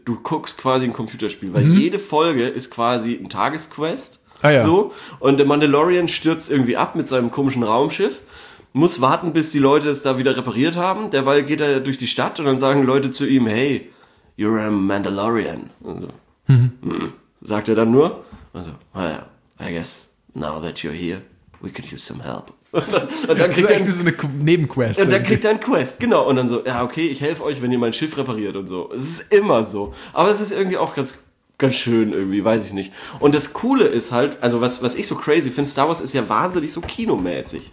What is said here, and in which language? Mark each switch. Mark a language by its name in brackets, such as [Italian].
[German] Du guckst quasi ein Computerspiel, weil jede Folge ist quasi ein Tagesquest. Ah, ja. So. Und der Mandalorian stürzt irgendwie ab mit seinem komischen Raumschiff. Muss warten, bis die Leute es da wieder repariert haben. Derweil geht er durch die Stadt und dann sagen Leute zu ihm, [English] hey, you're a Mandalorian. [German] Also, sagt er dann nur. [English] Also, well, I guess now that you're here, we could use some help. [German] Und dann kriegt er wie so eine Nebenquest. Und dann kriegt er einen Quest, genau. Und dann so, ja, okay, ich helfe euch, wenn ihr mein Schiff repariert und so. Es ist immer so. Aber es ist irgendwie auch ganz, ganz schön irgendwie, weiß ich nicht. Und das Coole ist halt, also was ich so crazy finde, Star Wars ist ja wahnsinnig so kinomäßig.